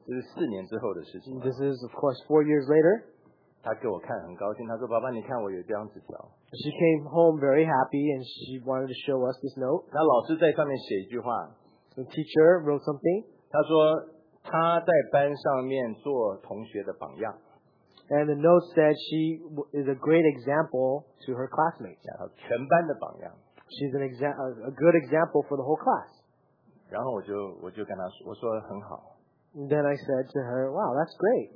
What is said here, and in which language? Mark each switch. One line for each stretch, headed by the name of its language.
Chinese: 这是四年之后的事情。
English: This is, of course, 4 years later.
Chinese: 她给我看，很高兴。她说：“爸爸，你看我有这张纸条。”
English: She came home very happy, and she wanted to show us this note.
Chinese: 那老师在上面写一句话。
English: The teacher wrote something.
Chinese: 她说：“她在班上面做同学的榜样。”
English: And the note said she is a great example to her classmates.
Chinese: 然后全班的榜样。
English: She's a good example for the whole class.
Chinese: 然后我就跟他说，我说很好。
English: Then I said to her, wow, that's great.